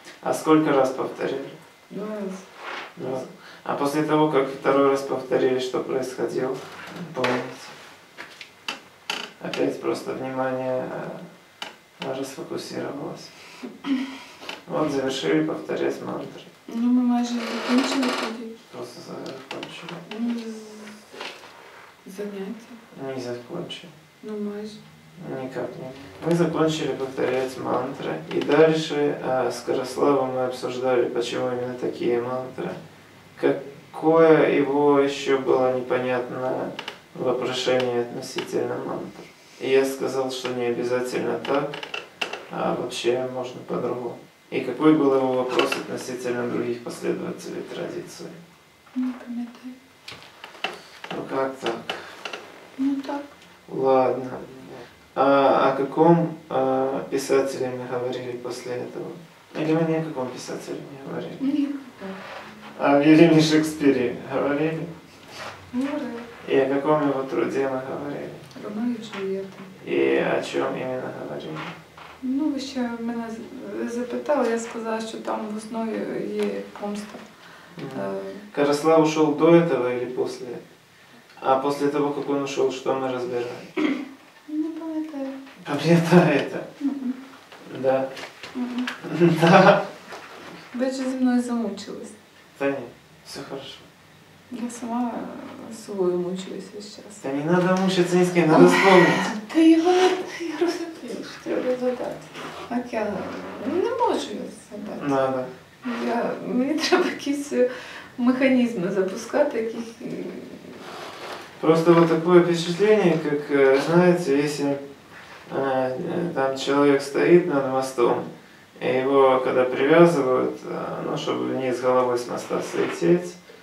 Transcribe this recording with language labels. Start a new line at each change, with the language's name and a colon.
Russian: А сколько раз повторили? Два раз. Два раз. А после того, как второй раз повторили, что происходило, помните? Опять просто внимание расфокусировалось. Вот завершили повторять мантры. Ну мы майже закончили тоді. Просто закончили.
Ukrainian: Заняття.
Russian: Не закончили.
Ukrainian: Ну майже.
Russian: Никак не. Мы закончили повторять мантры. И дальше с Караславом мы обсуждали, почему именно такие мантры. Какое его еще было непонятное вопрошение относительно мантры. И я сказал, что не обязательно так, а вообще можно по-другому. И какой был его вопрос относительно других последователей традиции? Не помню. Ну как так? Ну так. Ладно. А о каком писателе мы говорили после этого? Или мы ни о каком писателе не говорили? Никогда. О Вильяме Шекспире говорили? Говорили. И о каком его труде мы говорили?
Ukrainian: Ромео і Джульєтта. І о чому іменно говорили? Ну, ви ще мене запитали, я сказала, що там в основі є помста. Караслав ушов до цього чи після? А після того, як він ушов, що ми розбирали? Не пам'ятаю. Пам'ятаєте? Так. Да. Ви ж зі мною замучились. Та ні, все добре. Я сама з собою мучилася зараз. Та не треба мучитися ні з ким, треба вспомнити. Та його не розуміло, що треба задати. А я не можу його задати.
Russian: Надо.
Ukrainian: Мені треба якісь механізми запускати, яких...
Russian: Просто вот такое впечатление, как, знаете, если там человек стоит над мостом, и его, когда привязывают, ну, чтобы вниз головой с моста слететь,